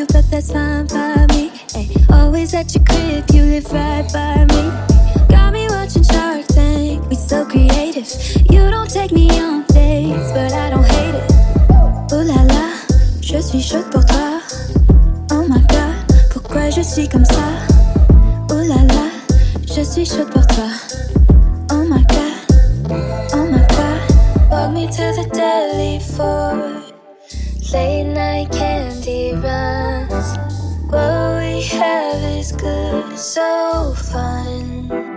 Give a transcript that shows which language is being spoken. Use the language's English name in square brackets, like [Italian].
[English] That's fine by me. Ay, always at your crib, you live right by me. Got me watching Shark Tank, we so creative. You don't take me on dates, but I don't hate it. [French] Ooh la la, je suis chaud pour toi. [English] Oh my god, [French] pourquoi je suis comme ça? Ooh la la, je suis chaud pour toi. [English] Oh my god, oh my god. Walk me to the deli for late night candy runs. What we have is good, so fun.